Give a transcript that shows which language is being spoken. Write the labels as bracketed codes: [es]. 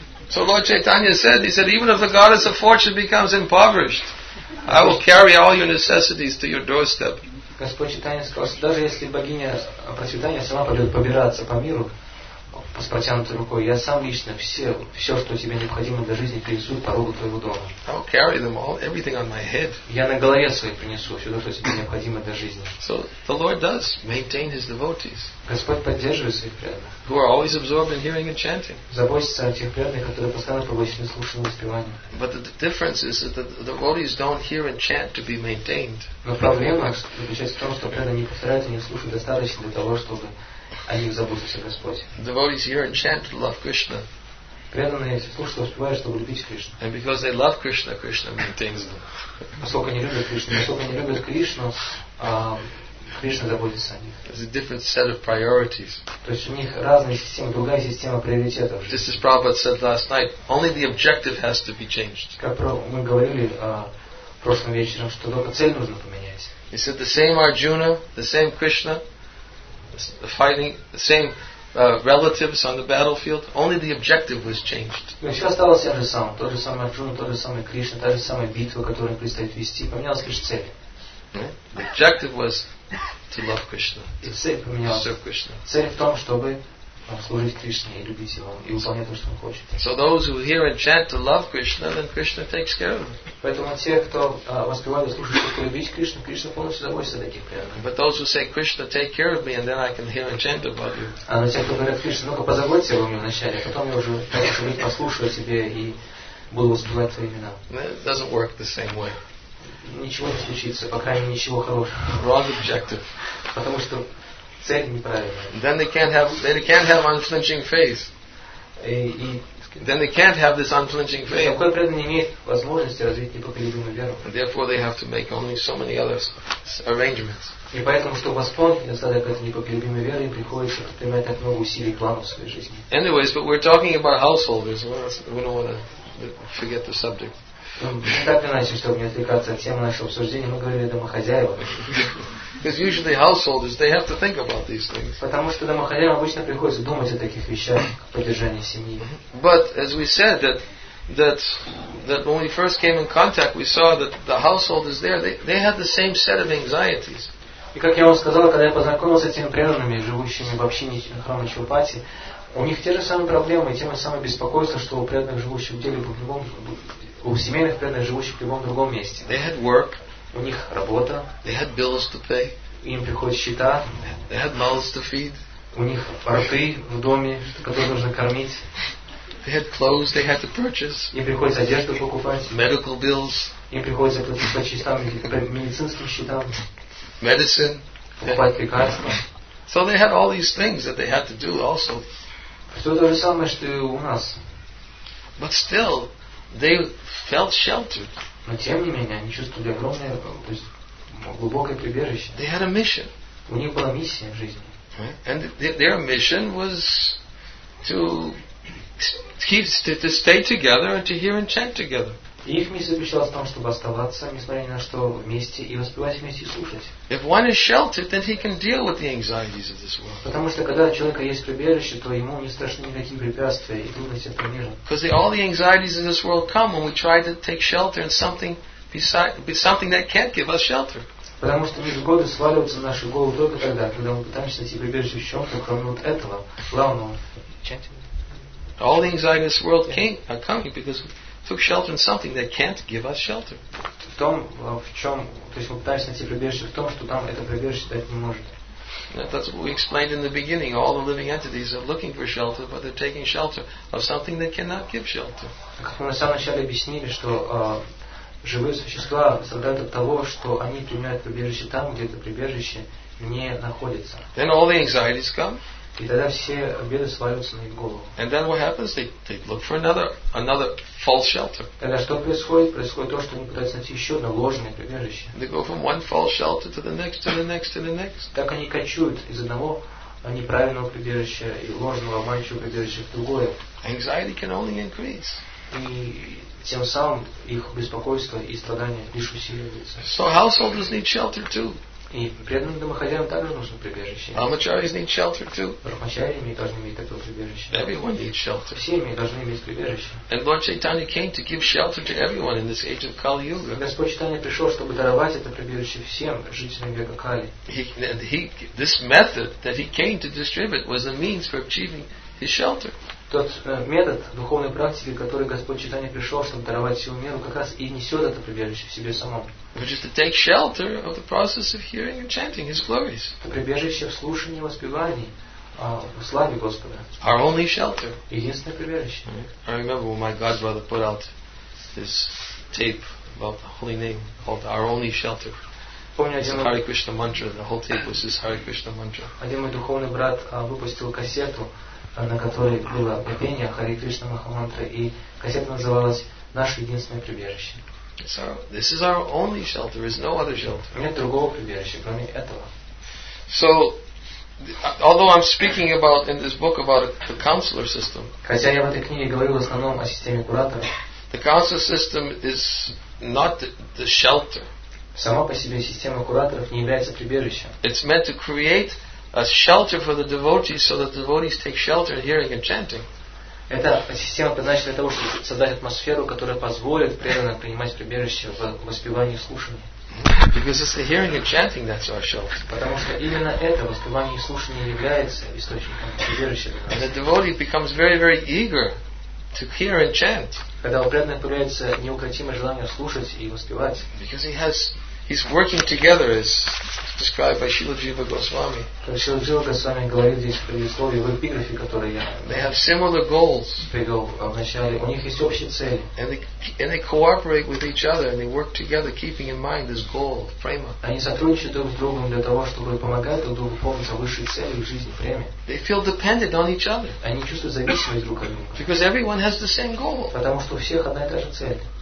[en] So Lord Chaitanya said, even if the goddess of fortune becomes impoverished, I will carry all your necessities to your doorstep. [ru] Господь Чайтанья сказал, что даже если богиня процветания сама пойдет побираться по миру с протянутой рукой, я сам лично все, что тебе необходимо для жизни, принесу в порогу твоего дома. [en] I'll carry them all, everything on my head. [ru] Я на голове своей принесу все, что тебе необходимо для жизни. [en] So the Lord does maintain his devotees. [ru] Господь поддерживает своих преданных. [en] Who are always absorbed in hearing and chanting. [ru] Заботится о тех преданных, которые постоянно поглощены слушанием и воспеванием. [en] But the difference is that the devotees don't hear and chant to be maintained. [ru] Но проблема заключается в том, что преданные не повторяют и не слушают достаточно для того, чтобы о них заботился Господь. [en] Devotees hear and chant to love Krishna. [ru] Преданные слушают и воспевают, чтобы любить Кришну. [en] And because they love Krishna, Krishna maintains them. [ru] Поскольку они любят Кришну, Кришна заботится о них. [en] It's a different set of priorities. [ru] То есть у них разные системы, другая система приоритетов. [en] Just as Prabhupada said last night, only the objective has to be changed. [ru] Как мы говорили прошлым вечером, что только цель нужно поменять. [en] He said the same Arjuna, the same Krishna, fighting the same relatives on the battlefield, only the objective was changed. [ru] Все осталось тем же самым, тот же самый Арджуна, тот же самый Кришна, та же самая битва, которую предстоит вести, поменялась лишь цель. [en] The objective was to love Krishna. [ru] И цель поменялась. [en] Serve Krishna. [ru] Цель в том, чтобы служить Кришне и любить его и выполнять то, что он хочет. [en] So those who hear and chant to love Krishna, then Krishna takes care of them. [ru] Поэтому те, кто воспевает и слушает, чтобы любить Кришну, Кришна полностью заботится о таких преданных. [en] But those who say Krishna, take care of me, and then I can hear and chant about you. [ru] А на тех, кто говорят Кришна, ну-ка позаботься обо мне вначале, а потом я уже хочу послушать тебе и буду воспевать твои имена. [en] It doesn't work the same way. [ru] Ничего не случится, по крайней мере ничего хорошего. [en] Wrong objective. [ru] Потому что цель неправильная. [en] Then they can't have unflinching faith. Then they can't have this unflinching faith. [ru] Такой преданный не имеет возможности развить непоколебимую веру. [en] Therefore they have to make only so many other arrangements. [ru] И поэтому, чтобы восполнить недостаток этой непоколебимой веры, приходится предпринимать так много усилий и планов в своей жизни. [en] Anyways, but we're talking about householders. We don't want to forget the subject. [ru] Так иначе, чтобы не отвлекаться от темы нашего обсуждения, мы говорили о домохозяевах. [en] Because usually householders, they have to think about these things. [ru] Потому что домохозяевам обычно приходится думать о таких вещах, о поддержании семьи. [en] But as we said that when we first came in contact, we saw that the householders there, they had the same set of anxieties. [ru] И как я вам сказал, когда я познакомился с этими преданными, живущими в общине храма Чхупати, у них те же самые проблемы и те же самые беспокойства, что у преданных, живущих в деле, у семейных преданных, живущих в любом другом месте. [en] They had work. [ru] У них работа. [en] They had bills to pay. [ru] Им приходят счета. [en] They had mouths to feed. [ru] У них рты в доме, которые нужно кормить. [en] They had clothes they had to purchase. [ru] Им приходится одежду покупать. [en] Medical bills. [ru] Им приходится платить по счетам, по медицинским счетам. [en] Medicine. [ru] Покупать лекарства. [en] So they had all these things that they had to do also. [ru] Все то же самое, что и у нас. [en] But still, they felt sheltered. [ru] Но тем не менее, они чувствовали огромное, то есть глубокое прибежище. [en] They had a mission. [ru] У них была миссия в жизни. [en] And their mission was to stay together and to hear and chant together. [ru] Их миссия заключалась в том, чтобы оставаться, несмотря ни на что, вместе и воспевать вместе и слушать. [en] If one is sheltered, then he can deal with the anxieties of this world. [ru] Потому что когда у человека есть прибежище, то ему не страшны никакие препятствия и трудности этого мира. [en] Because all the anxieties in this world come when we try to take shelter in something something that can't give us shelter. [ru] Потому что невзгоды сваливаются на нашу голову только тогда, когда мы пытаемся найти прибежище в чем-то, кроме вот этого главного. [en] All the anxieties in this world are coming because took shelter in something that can't give us shelter. [ru] В том, в чем, то есть мы пытаемся найти прибежище в том, что там это прибежище дать не может. [en] That's what we explained in the beginning. All the living entities are looking for shelter, but they're taking shelter of something that cannot give shelter. [ru] Как мы на самом начале объяснили, что живые существа страдают от того, что они принимают прибежище там, где это прибежище не находится. [en] Then all the anxieties come. [ru] И тогда все беды сваливаются на их голову. [en] And then what happens? They look for another false shelter. [ru] Тогда что происходит? Происходит то, что они пытаются найти еще одно ложное прибежище. [en] They go from one false shelter to the next, to the next, to the next. [ru] Так они кочуют из одного неправильного прибежища и ложного обманчивого прибежища в другое. [en] Anxiety can only increase. [ru] И тем самым их беспокойство и страдания лишь усиливаются. [en] So householders need shelter too. [ru] И преданным домохозяевам также нужно прибежище. [en] Амачарис need shelter too. [ru] Брахмачарями должны иметь такое прибежище. [en] Everyone needs shelter. [ru] Все мы должны иметь прибежище. [en] And Lord Chaitanya came to give shelter to everyone in this age of Kali Yuga. [ru] Господь Чайтанья пришел, чтобы даровать это прибежище всем жителям века Кали. [en] This method that he came to distribute was a means for achieving his shelter. [ru] Тот метод духовной практики, который Господь Чайтанья пришел, чтобы даровать всему миру, как раз и несет это прибежище в себе самом. [en] Which is to take shelter of the process of hearing and chanting His glories. [ru] Это прибежище в слушании и воспевании в славе Господа. [en] Our only shelter. [ru] Единственное прибежище. [en] I remember when my godbrother put out this tape about the holy name called Our Only Shelter. [ru] Один мой духовный брат выпустил кассету, на которой было пение Хари Кришна Махамантра, и кассета называлась «Наше единственное прибежище». [en] So this is our only shelter. There is no other shelter. [ru] Нет другого прибежища, кроме этого. [en] So, although I'm speaking about in this book about the counselor system, [ru] хотя я в этой книге говорил в основном о системе кураторов, [en] the counselor system is not the shelter. [ru] Сама по себе система кураторов не является прибежищем. [en] It's meant to create a shelter for the devotees so that the devotees take shelter in hearing and chanting. [ru] Эта система предназначена для того, чтобы создать атмосферу, которая позволит преданным принимать прибежище в воспевании и слушании. [en] Because it's the hearing and chanting that's our shelter. [ru] Потому что именно это воспевание и слушание является источником прибежища. [en] And the devotee becomes very, very eager to hear and chant. [ru] Когда у преданного появляется неукротимое желание слушать и воспевать. [en] Because he's working together as described by Śrīla Jīva Gosvāmī. [ru] Śrīla Jīva Gosvāmī говорит здесь в предисловии, в эпиграфе, который я... [en] They have similar goals. [ru] Вначале. У них есть общие цели. [en] And they cooperate with each other and they work together keeping in mind this goal, prema. [ru] Они сотрудничают друг с другом для того, чтобы помогать друг другу помнить о высшей цели в жизни, преме. [en] They feel dependent on each other. [ru] Они чувствуют зависимость друг от друга. [en] Because everyone has the same goal. [ru] Потому что у всех одна и та же цель.